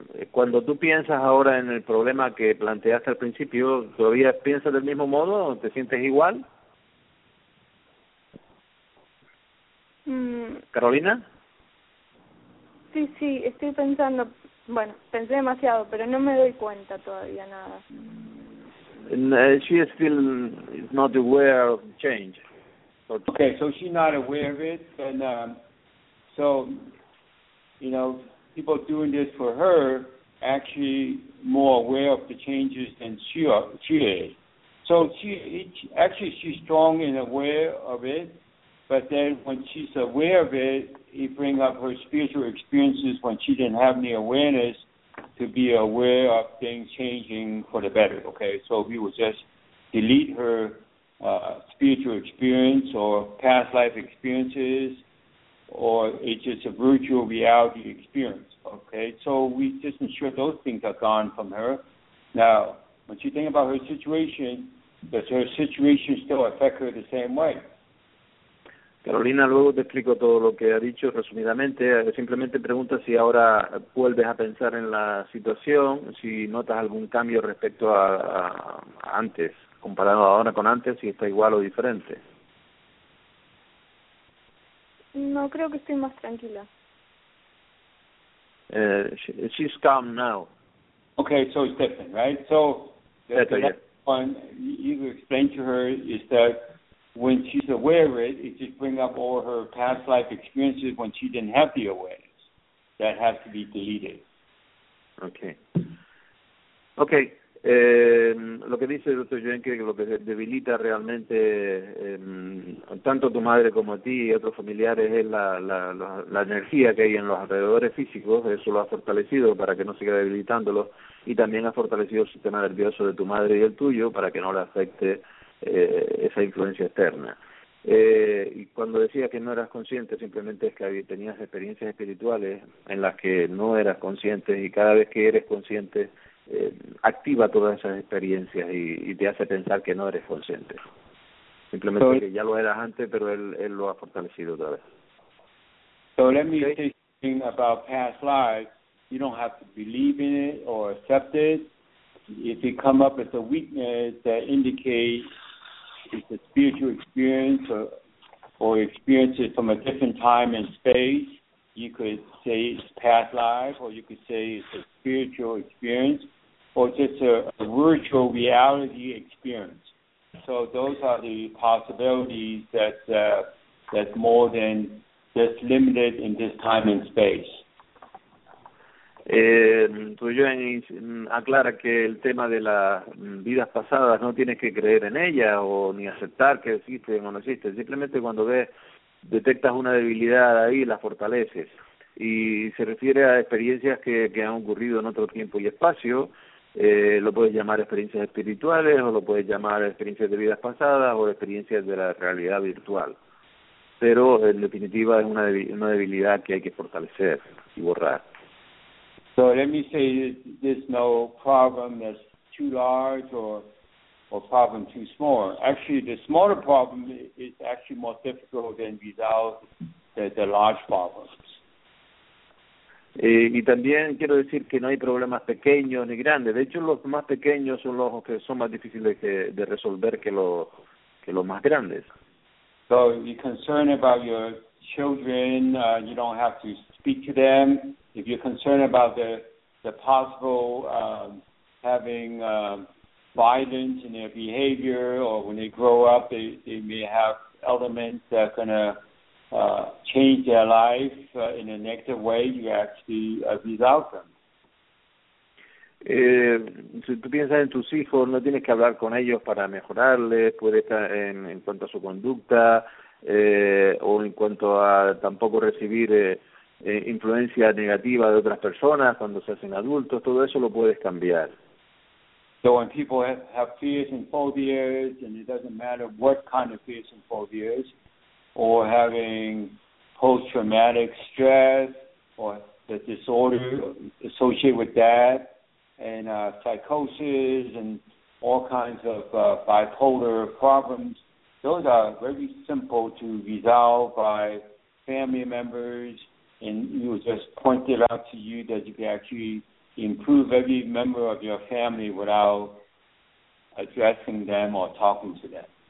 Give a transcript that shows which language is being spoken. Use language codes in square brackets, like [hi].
[es] Cuando tú piensas ahora en el problema que planteaste al principio, ¿todavía piensas del mismo modo? ¿Te sientes igual? ¿Carolina? Sí, sí, estoy pensando, bueno, pensé demasiado, pero no me doy cuenta todavía nada. [en] She is still not aware of change. Okay, so she's not aware of it, and so, you know, people doing this for her actually more aware of the changes than she is. So she's strong and aware of it, but then when she's aware of it, it brings up her spiritual experiences when she didn't have any awareness to be aware of things changing for the better, okay? So we will just delete her spiritual experience or past life experiences, or it's just a virtual reality experience, okay? So we just ensure those things are gone from her. Now, when she thinks about her situation, does her situation still affect her the same way? [es] Carolina, luego te explico todo lo que ha dicho resumidamente. Simplemente pregunta si ahora vuelves a pensar en la situación, si notas algún cambio respecto a antes, comparado ahora con antes, si está igual o diferente. No, creo que estoy más tranquila. [en] She's calm now. Okay, so it's different, right? So, the one you explained to her is that when she's aware of it, it just brings up all her past life experiences when she didn't have the awareness. That has to be deleted. Okay. Okay. [es] Lo que dice el Dr. Yuen, que lo que debilita realmente tanto tu madre como a ti y otros familiares es la energía que hay en los alrededores físicos. Eso lo ha fortalecido para que no siga debilitándolo. Y también ha fortalecido el sistema nervioso de tu madre y el tuyo para que no le afecte esa influencia externa. Y cuando decía que no eras consciente, simplemente es que tenías experiencias espirituales en las que no eras consciente, y cada vez que eres consciente activa todas esas experiencias y te hace pensar que no eres consciente. Simplemente so, que ya lo eras antes, pero él lo ha fortalecido otra vez. [en] So let me say something about past lives. You don't have to believe in it or accept it. If it come up as a weakness that indicates it's a spiritual experience or experience it from a different time and space, you could say it's past life, or you could say it's a spiritual experience, or just a virtual reality experience. So those are the possibilities that's more than just limited in this time and space. [es] Tuyuan aclara que el tema de las vidas pasadas no tienes que creer en ellas o ni aceptar que existen o no existen. Simplemente cuando detectas una debilidad ahí, la fortaleces. Y se refiere a experiencias que han ocurrido en otro tiempo y espacio. Lo puedes llamar experiencias espirituales o lo puedes llamar experiencias de vidas pasadas o experiencias de la realidad virtual. pero en definitiva es una debilidad que hay que fortalecer y borrar. [en] So let me say there's no problem that's too large or problem too small. Actually, the smaller problem is actually more difficult than without the large problems. [es] Y también quiero decir que no hay problemas pequeños ni grandes. De hecho, los más pequeños son los que son más difíciles de resolver que los más grandes. [en] So, you're concerned about your children, you don't have to speak to them. If you're concerned about the possible having violence in their behavior, or when they grow up, they may have elements that are going to change their life in a negative way, you actually resolve them. [es] Si tú piensas en tus hijos, no tienes que hablar con ellos para mejorarles, puede estar en cuanto a su conducta, o en cuanto a tampoco recibir influencia negativa de otras personas cuando se hacen adultos, todo eso lo puedes cambiar. [en] So when people have fears and phobias, and it doesn't matter what kind of fears and phobias, or having post-traumatic stress, or the disorder associated with that, and psychosis, and all kinds of bipolar problems, those are very simple to resolve by family members, and you just pointed out to you that you can actually improve every member of your family without addressing them or talking to them.